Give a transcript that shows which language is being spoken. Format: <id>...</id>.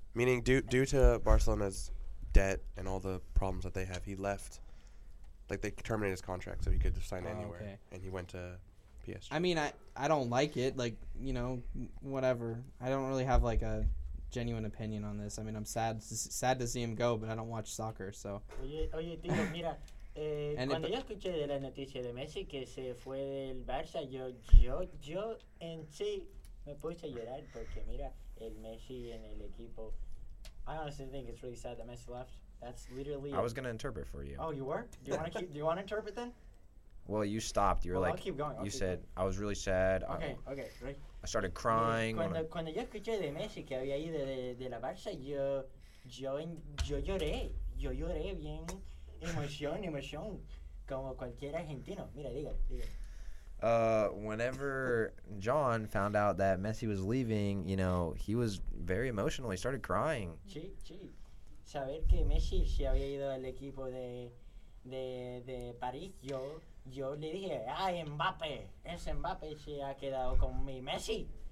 <en>Meaning, due to Barcelona's debt and all the problems that they have, he left. Like, they terminated his contract, so he could just sign anywhere. Okay. And he went to PSG. I mean, I don't like it. Like, you know, whatever. I don't really have, like, a genuine opinion on this. I mean, I'm sad to see him go, but I don't watch soccer, so...</en> <es>Oye, tío, mira... cuando yo escuché de la noticia de Messi que se fue del Barça, yo en sí me puse a llorar porque mira el Messi en el equipo.</es> <en>I honestly think it's really sad that Messi left. That's literally. I was gonna interpret for you. Oh, you were? Do you want to keep? Do you want to interpret then? Well, you stopped. You were like, I'll keep going. You said I was really sad. Okay, right. I started crying.</en> <es>Cuando yo escuché de Messi que había ido de la Barça, yo lloré. Yo lloré bien. Emotion, como cualquier argentino. Mira, diga.</es> <en>Whenever John found out that Messi was leaving, you know, he was very emotional. He started crying.</en> <es>Sí. Saber que Messi se había ido al equipo de París, yo le dije, ay, Mbappé, ese Mbappé se ha quedado con mi Messi.</es>